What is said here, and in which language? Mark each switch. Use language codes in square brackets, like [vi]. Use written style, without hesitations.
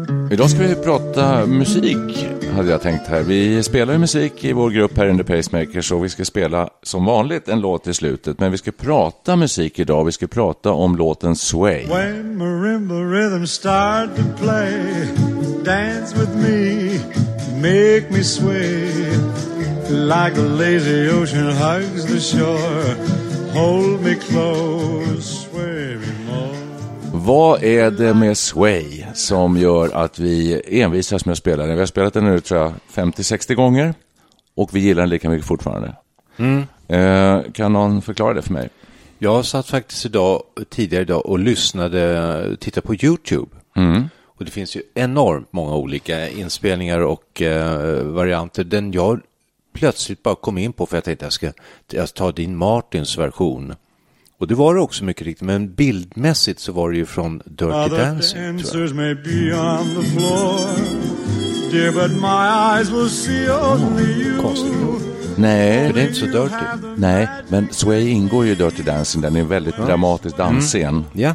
[sv] Idag ska vi prata musik, hade jag tänkt här. Vi spelar ju musik i vår grupp här under Pacemakers och vi ska spela som vanligt en låt i slutet. Men vi ska prata musik idag, vi ska prata om låten Sway. [en] When marimba rhythm start to play, dance with me, make me sway. Like a lazy ocean hugs the shore, hold me close, sway me more. [sv] Vad är det med Sway som gör att vi envisas med att spela den? Vi har spelat den nu tror jag 50-60 gånger och vi gillar den lika mycket fortfarande. Kan någon förklara det för mig? Jag satt faktiskt tidigare idag och lyssnade, tittade på YouTube. Och det finns ju enormt många olika inspelningar och varianter. Den jag plötsligt bara kom in på för att jag tänkte att jag ska ta din Martins version. Och det var det också mycket riktigt, men bildmässigt så var det ju från Dirty Dancing, tror jag. [en] May be on the floor, dear, but my eyes will see only you. [sv] Konstigt. Nej, för det är inte så dirty. Nej, men Sway ingår ju i Dirty Dancing, den är en väldigt dramatisk dansscen.